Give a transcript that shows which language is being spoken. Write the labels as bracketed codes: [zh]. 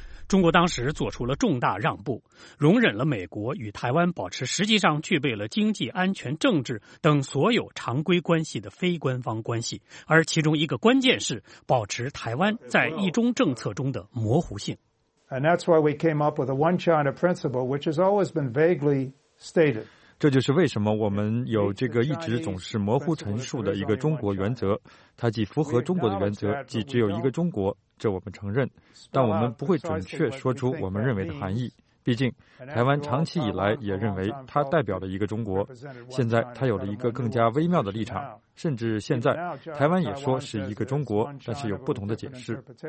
[zh] 中国当时做出了重大让步，容忍了美国与台湾保持实际上具备了经济、安全、政治等所有常规关系的非官方关系，而其中一个关键是保持台湾在一中政策中的模糊性。 [en] And that's why we came up with a one China principle, which has always been vaguely stated. [zh] 这就是为什么我们有这个一直总是模糊陈述的一个中国原则，它既符合中国的原则，即只有一个中国，这我们承认，但我们不会准确说出我们认为的含义。毕竟台湾长期以来也认为它代表了一个中国，现在它有了一个更加微妙的立场，甚至现在台湾也说是一个中国，但是有不同的解释。